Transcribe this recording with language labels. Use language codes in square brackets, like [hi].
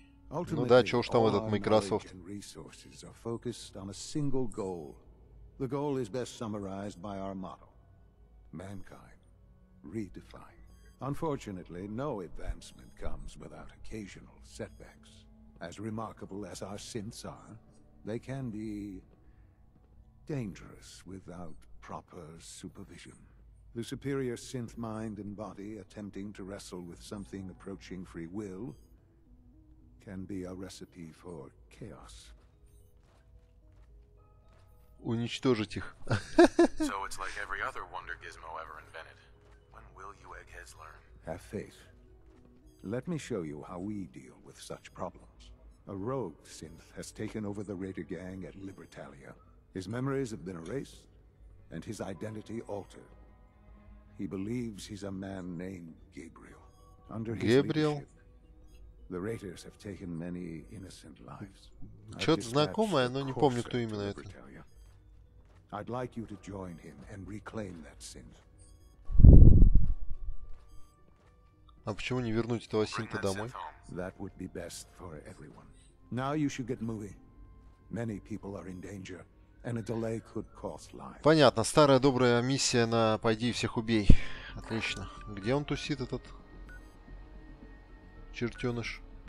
[ru] Ну да, чё уж там этот Microsoft. [en] Resources are focused on a single goal. The goal is best summarized by our motto. Mankind. Redefined. Unfortunately, no advancement comes without occasional setbacks. As remarkable as our synths are, they can be dangerous without proper supervision. The superior synth mind and body attempting to wrestle with something approaching free will can be a recipe for chaos. [ru] Уничтожить их. [en] So it's like every other wonder gizmo ever invented. When will you eggheads learn? Have faith. Let me show you how we deal with such problems. A rogue synth has taken over the raider gang at Libertalia. His memories have been erased, and his identity altered. He believes he's a man named Gabriel. Under his Gabriel? Leadership, the Raiders have taken many innocent lives. [ru] Что-то знакомое, но не помню, кто именно это. [en] I'd like you to join him and reclaim that sin. [ru] А почему не вернуть этого Синта домой? [en] That would be best for everyone. Now you should get moving. Many people are in danger, and a delay could cost lives. [ru] Понятно, старая добрая миссия на пойди всех убей. Отлично. Где он тусит, этот чертёныш?